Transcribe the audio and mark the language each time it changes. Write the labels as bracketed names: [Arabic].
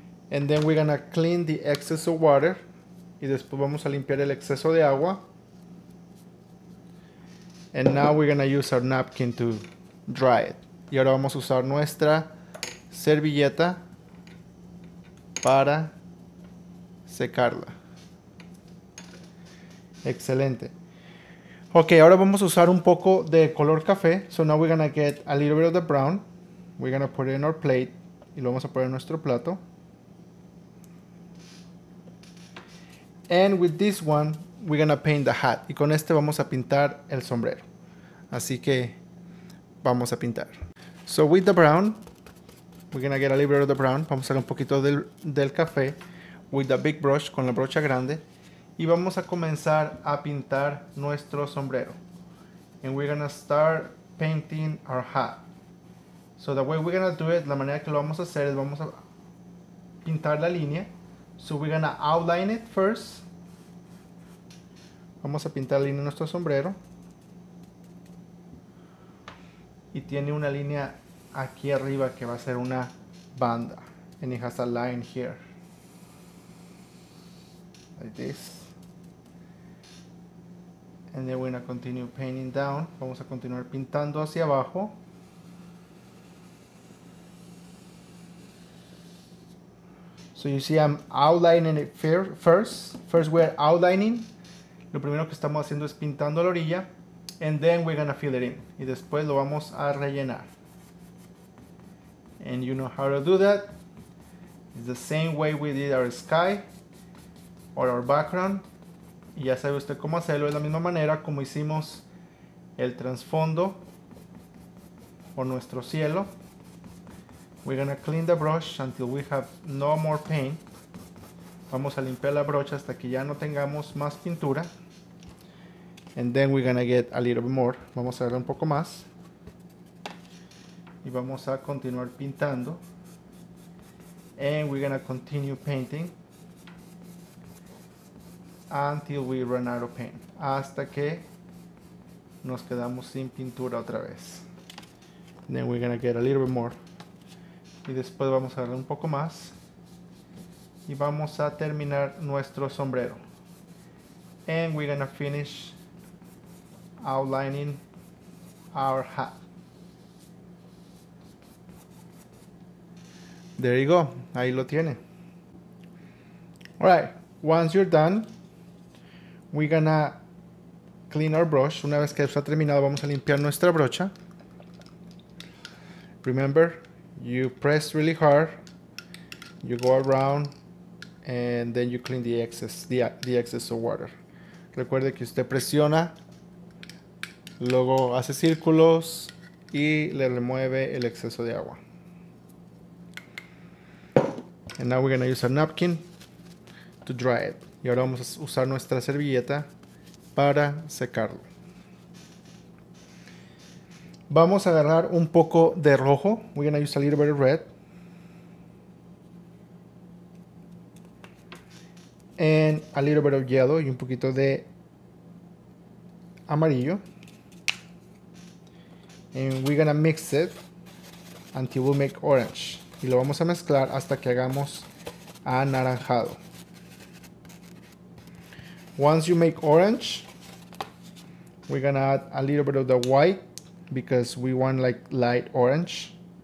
[English] And then we're gonna clean the excess of water. [Spanish] Y después vamos a limpiar el exceso de agua. [English] And now we're gonna use our napkin to dry it. [Spanish] Y ahora vamos a usar nuestra servilleta para secarla. Excelente. Ok, ahora vamos a usar un poco de color café. [English] So now we're gonna get a little bit of the brown. We're gonna put it in our plate [Spanish] y lo vamos a poner en nuestro plato. [English] And with this one, we're gonna paint the hat. [Spanish] Y con este vamos a pintar el sombrero. Así que vamos a pintar. [English] So with the brown, we're gonna get a little bit of the brown. [Spanish] Vamos a hacer un poquito del café [English] with the big brush, [Spanish] con la brocha grande. Y vamos a comenzar a pintar nuestro sombrero. [English] And we're gonna start painting our hat. So the way we're gonna do it, [Spanish] la manera que lo vamos a hacer es vamos a pintar la línea. [English] So we're gonna outline it first. [Spanish] Vamos a pintar la línea de nuestro sombrero. Y tiene una línea aquí arriba que va a ser una banda. [English] And it has a line here. Like this. And then we're gonna continue painting down. [Spanish] Vamos a continuar pintando hacia abajo. [English] So you see I'm outlining it first. First we're outlining. [Spanish] Lo primero que estamos haciendo es pintando la orilla. [English] And then we're gonna fill it in. [Spanish] Y después lo vamos a rellenar. [English] And you know how to do that. It's the same way we did our sky or our background. [Spanish] Y ya sabe usted cómo hacerlo. Es la misma manera como hicimos el trasfondo o nuestro cielo. [English] We're gonna clean the brush until we have no more paint. [Spanish] Vamos a limpiar la brocha hasta que ya no tengamos más pintura. [English] And then we're gonna get a little bit more. [Spanish] Vamos a darle un poco más. Y vamos a continuar pintando. [English] And we're gonna continue painting until we run out of paint. [Spanish] Hasta que nos quedamos sin pintura otra vez. [English] And then we're gonna get a little bit more. [Spanish] Y después vamos a darle un poco más. Y vamos a terminar nuestro sombrero. [English] And we're gonna finish outlining our hat. There you go. [Spanish] Ahí lo tiene. [English] All right. Once you're done, we're gonna clean our brush. [Spanish] Una vez que está terminado, vamos a limpiar nuestra brocha. [English] Remember, you press really hard. You go around. And then you clean the excess of water. [Spanish] Recuerde que usted presiona, luego hace círculos y le remueve el exceso de agua. [English] And now we're going to use a napkin to dry it. [Spanish] Y ahora vamos a usar nuestra servilleta para secarlo. Vamos a agarrar un poco de rojo. [English] We're going to use a little bit of red. And a little bit of yellow [Spanish] y un poquito de amarillo. [English] And we're gonna mix it until we make orange. [Spanish] Y lo vamos a mezclar hasta que hagamos anaranjado. [English] Once you make orange, we're gonna add a little bit of the white because we want like light orange.